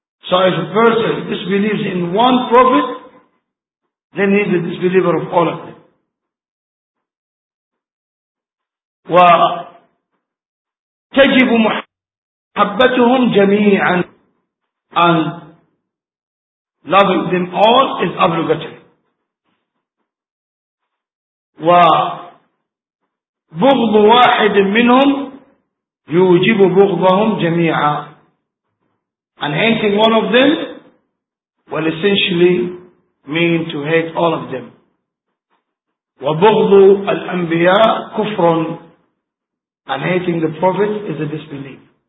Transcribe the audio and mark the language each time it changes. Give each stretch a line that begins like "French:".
English: So if a person disbelieves in one prophet, then he's a disbeliever of all of them.
Arabic: وَتَجِبُ مُحَبَّتُهُمْ جَمِيعًا.
English: And loving them all is obligatory.
Arabic: وبغض واحد منهم يوجب بغضهم جميعا.
English: And hating one of them will essentially mean to hate all of them.
Arabic: وبغض الأنبياء كفر.
English: And hating the prophets is a disbelief.